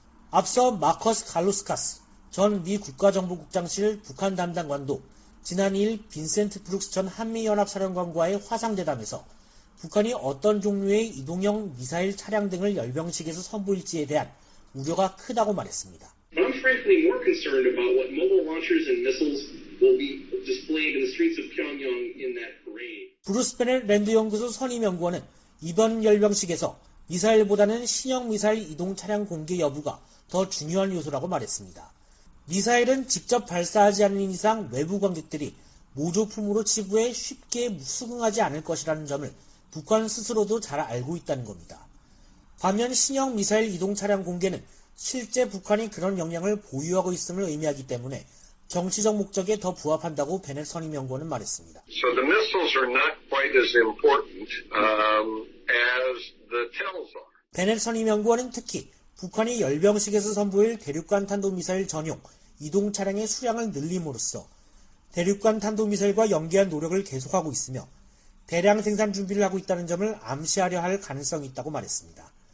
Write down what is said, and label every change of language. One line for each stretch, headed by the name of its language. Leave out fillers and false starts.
Korean: 앞서 마커스 갈루스카스 전 미 국가정보국장실 북한 담당관도 지난 2일 빈센트 브룩스 전 한미연합사령관과의 화상대담에서 북한이 어떤 종류의 이동형 미사일 차량 등을 열병식에서 선보일지에 대한 우려가 크다고 말했습니다.
English: I'm frankly more concerned about what mobile launchers and missiles will be displayed in the streets of Pyongyang in that parade.
Korean: 브루스벤의 랜드연구소 선임연구원은 이번 열병식에서 미사일보다는 신형 미사일 이동 차량 공개 여부가 더 중요한 요소라고 말했습니다. 미사일은 직접 발사하지 않는 이상 외부 관객들이 모조품으로 치부해 쉽게 수긍하지 않을 것이라는 점을 북한 스스로도 잘 알고 있다는 겁니다. 반면 신형 미사일 이동 차량 공개는 실제 북한이 그런 역량을 보유하고 있음을 의미하기 때문에 정치적 목적에 더 부합한다고 베넷 선임연구원은 말했습니다.
English: So the missiles are not quite as important as the tells are.
Korean: 베넷 선임연구원은 특히 북한이 열병식에서 선보일 대륙간 탄도미사일 전용 이동 차량의 수량을 늘림으로써 대륙간 탄도미사일과 연계한 노력을 계속하고 있으며 대량 생산 준비를 하고 있다는 점을 암시하려 할 가능성이 있다고 말했습니다.